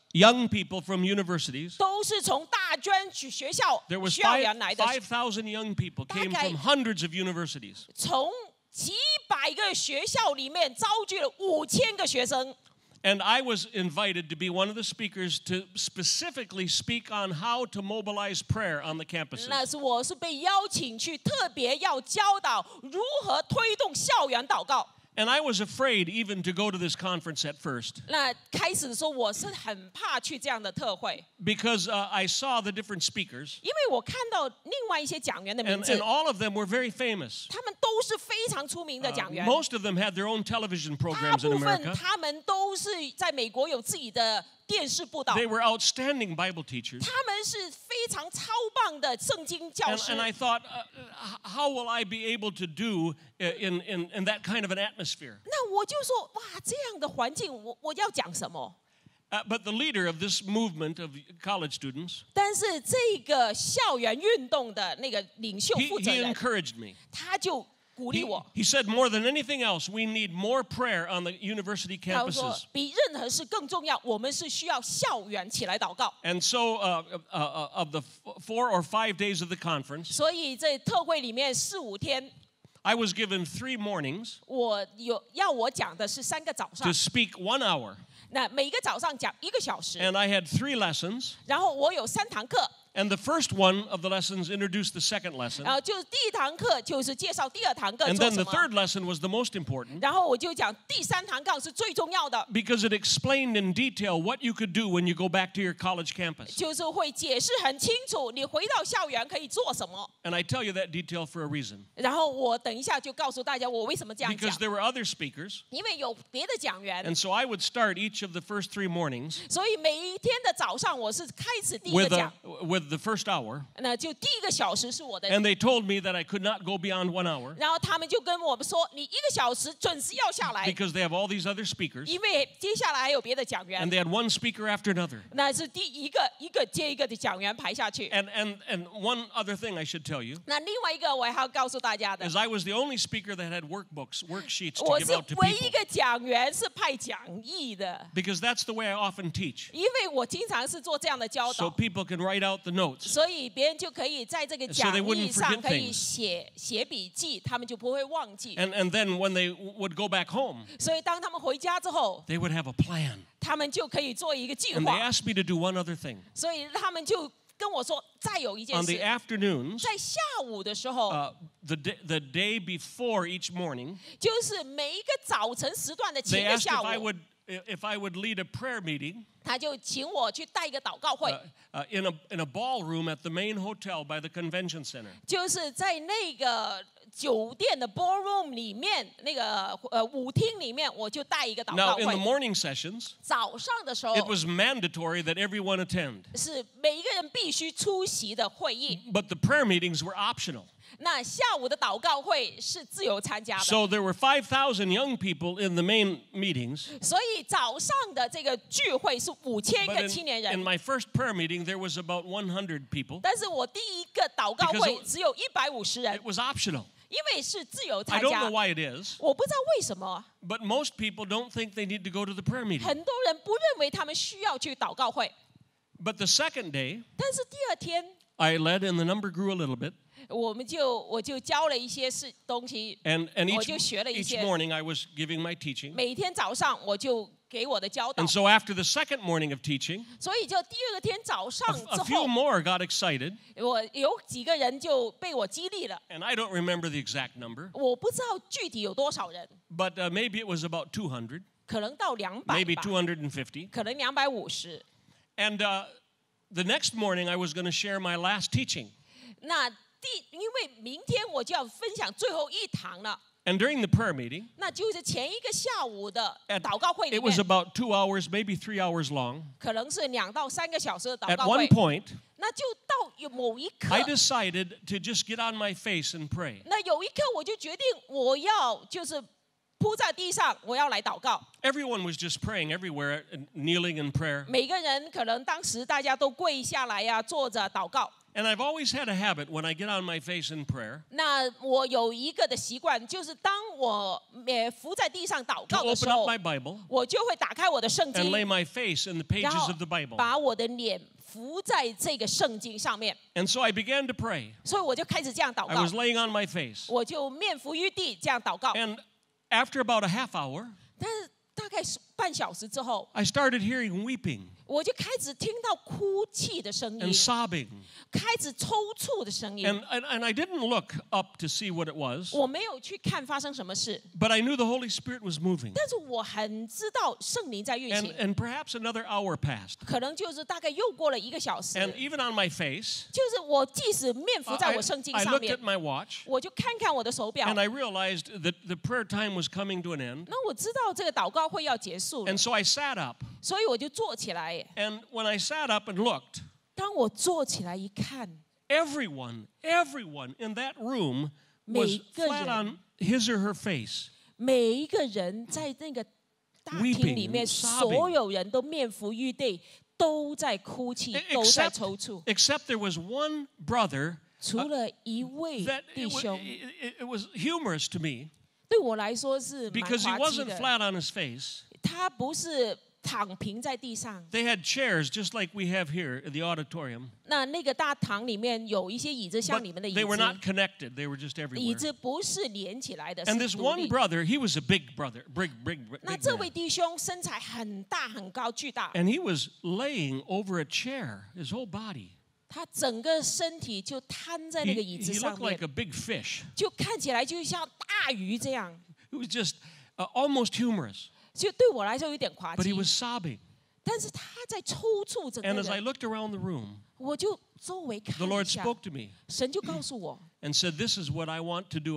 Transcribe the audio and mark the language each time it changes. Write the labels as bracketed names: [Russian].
[English] Young people from universities. [Chinese] 都是从大专学校学员来的。 [English] There was 5,000 young people came from hundreds of universities. [Chinese] 从几百个学校里面招聚了5000个学生。 [English] And I was invited to be one of the speakers to specifically speak on how to mobilize prayer on the campuses. [Chinese] 那是我是被邀请去特别要教导如何推动校园祷告。 [English] And I was afraid even to go to this conference at first. [Chinese] 那开始的时候我是很怕去这样的特会。 [English] Because I saw the different speakers. [Chinese] 因为我看到另外一些讲员的名字。 [English] And all of them were very famous. [Chinese] 他们都是非常出名的讲员。 [English] Most of them had their own television programs in America. [Chinese] 大部分他们都是在美国有自己的电视布道。 [English] They were outstanding Bible teachers. [Chinese] 他们是非常超棒的圣经教师。 [English] And I thought, how will I be able to do in that kind of an atmosphere? [Chinese] 那我就说，哇，这样的环境，我要讲什么？ [English] But the leader of this movement of college students, [Chinese] 但是这个校园运动的那个领袖负责人， [English] he encouraged me. [Chinese] 他就 [English] He said, more than anything else, we need more prayer on the university campuses. [Chinese] 比任何事更重要，我们是需要校园起来祷告。 [English] And so, of the 4 or 5 days of the conference, [Chinese] 所以在特会里面四五天， [English] I was given 3 mornings [Chinese] 我有要我讲的是三个早上， [English] to speak 1 hour. [Chinese] 那每一个早上讲一个小时， [English] And I had 3 lessons. [Chinese] 然后我有三堂课。 [English] And the first one of the lessons introduced the second lesson. [Chinese] 然后就第一堂课就是介绍第二堂课。 [English] And then the third lesson was the most important. [Chinese] 然后我就讲第三堂课是最重要的。 [English] Because it explained in detail what you could do when you go back to your college campus. [Chinese] 就是会解释很清楚你回到校园可以做什么。 [English] And I tell you that detail for a reason. [Chinese] 然后我等一下就告诉大家我为什么这样讲。 [English] Because there were other speakers. [Chinese] 因为有别的讲员。 [English] And so I would start each of the first 3 mornings. [Chinese] 所以每一天的早上我是开始第一个讲。 [English] With the first hour, [Chinese] 那就第一个小时是我的。 [English] And they told me that I could not go beyond 1 hour. [Chinese] 然后他们就跟我们说，你一个小时准时要下来。 [English] Because they have all these other speakers. [Chinese] 因为接下来还有别的讲员。 [English] And they had one speaker after another. [Chinese] 那是第一个一个接一个的讲员排下去。 [English] And one other thing I should tell you. [Chinese] 那另外一个我还要告诉大家的。 [English] Is I was the only speaker that had workbooks, worksheets to give out to people. [Chinese] 我是唯一一个讲员是派讲义的。 [English] Because that's the way I often teach. [Chinese] 因为我经常是做这样的教导。 [English] So people can write out the [Chinese] 所以别人就可以在这个讲义上可以写笔记，他们就不会忘记。 [English] And then when they would go back home, [Chinese] 所以当他们回家之后， [English] they would have a plan. [Chinese] 他们就可以做一个计划。 [English] And they asked me to do one other thing. [Chinese] 所以他们就跟我说再有一件事。 [English] On the afternoons, [Chinese] 在下午的时候， [English] the day before each morning, [Chinese] 就是每一个早晨时段的前一个下午。 [English] They asked if I would lead a prayer meeting. [Chinese] 他就请我去带一个祷告会。 [English] In a ballroom at the main hotel by the convention center. [Chinese] 就是在那个酒店的 ballroom 里面，那个舞厅里面，我就带一个祷告会。 [English] Now in the morning sessions, [Chinese] 早上的时候， [English] it was mandatory that everyone attend. [Chinese] 是每一个人必须出席的会议。 [English] But the prayer meetings were optional. [Chinese] 那下午的祷告会是自由参加的。 [English] So there were 5,000 young people in the main meetings. [Chinese] 所以早上的这个聚会是5,000个青年人。 [English] In my first prayer meeting, there was about 100 people. [Chinese] 但是我第一个祷告会只有150人。 [English] It was optional. [Chinese] 因为是自由参加。 [English] I don't know why it is. [Chinese] 我不知道为什么。 [English] But most people don't think they need to go to the prayer meeting. [Chinese] 很多人不认为他们需要去祷告会。 [English] But the second day, [Chinese] 但是第二天， [English] I led and the number grew a little bit. [Chinese] 我就教了一些东西。 [English] And each, [Chinese] 我就学了一些。 [English] Each morning I was giving my teaching. [Chinese] 每天早上我就给我的教导。 [English] And so after the second morning of teaching, [Chinese] 所以就第二天早上之后， [English] a few more got excited. [Chinese] 我有几个人就被我激励了。 [English] And I don't remember the exact number. [Chinese] 我不知道具体有多少人。 [English] But maybe it was about 200. [Chinese] 可能到200吧。 [English] Maybe 250. [Chinese] 可能250。 [English] And the next morning I was going to share my last teaching. [Chinese] 那第，因为明天我就要分享最后一堂了。 [English] And during the prayer meeting, [Chinese] 那就是前一个下午的祷告会里面， [English] it was about 2 hours, maybe 3 hours long. [Chinese] 可能是2到3个小时的祷告会。 [English] At one point, [Chinese] 那就到有某一刻， [English] I decided to just get on my face and pray. [Chinese] 那有一刻我就决定我要就是铺在地上，我要来祷告。 [English] Everyone was just praying everywhere, kneeling in prayer. [Chinese] 每个人可能当时大家都跪下来呀，坐着祷告。 [English] And I've always had a habit when I get on my face in prayer. [Chinese] 那我有一个的习惯，就是当我伏在地上祷告的时候， [English] to open up my Bible, [Chinese] 我就会打开我的圣经， [English] and lay my face in the pages of the Bible. [Chinese] 把我的脸伏在这个圣经上面。 [English] And so I began to pray. [Chinese] 所以我就开始这样祷告。 [English] I was laying on my face. [Chinese] 我就面伏于地这样祷告。 [English] And after about a half hour, [Chinese] 但是大概半小时之后 [English] I started hearing weeping [Chinese] 我就开始听到哭泣的声音 [English] and sobbing [Chinese] 开始抽搐的声音 [English] and I didn't look up to see what it was [Chinese] 我没有去看发生什么事 [English] but I knew the Holy Spirit was moving [Chinese] 但是我很知道圣灵在运行 [English] and perhaps another hour passed [Chinese] 可能就是大概又过了一个小时 [English] and even on my face [Chinese] 就是我即使面浮在我圣经上面 [English] I looked at my watch [Chinese] 我就看看我的手表 [English] and I realized that the prayer time was coming to an end [Chinese] 那我知道这个祷告会要结束了 [English] and so I sat up [Chinese] 所以我就坐起来 [English] and when I sat up and looked [Chinese] 当我坐起来一看 [English] everyone in that room was flat on his or her face [Chinese] 每一个人在那个大厅里面所有人都面浮欲滴都在哭泣都在抽搐 [English] except there was one brother [Chinese] 除了一位弟兄 [English] it was humorous to me [Chinese] 对我来说是蛮滑稽的 [English] because he wasn't flat on his face [Chinese] 他不是躺平在地上 [English] They had chairs just like we have here in the auditorium [Chinese] 那个大堂里面有一些椅子像你们的椅子 [English] They were not connected, they were just everywhere [Chinese] 椅子不是连起来的 [English] And this one brother, he was a big brother big [Chinese] 那这位弟兄身材很大很高巨大 [English] And he was laying over a chair, his whole body [Chinese] 他整个身体就瘫在那个椅子上面 [English] He looked like a big fish [Chinese] 就看起来就像大鱼这样 [English] It was just almost humorous But he was sobbing. [Chinese] 但是他在抽搐着。 [English] And as I looked around the room, [Chinese] 我就周围看一下。 [English] The Lord spoke to me. [Chinese] 神就告诉我。 [English] And said, "This is what I want to do.